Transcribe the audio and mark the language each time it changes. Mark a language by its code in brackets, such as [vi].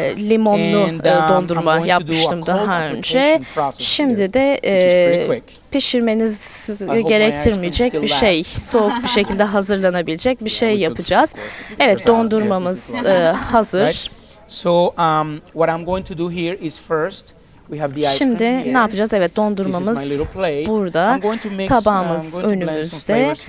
[tr] Limonlu dondurma yapmıştım daha önce. Şimdi de pişirmeniz gerektirmeyecek bir şey. Soğuk bir şekilde hazırlanabilecek bir şey yapacağız. Evet, dondurmamız hazır. [en] So what I'm going to do here is first we have the ice cream. [tr] Şimdi ne yapacağız? Evet, dondurmamız burada. Tabağımız önümüzde.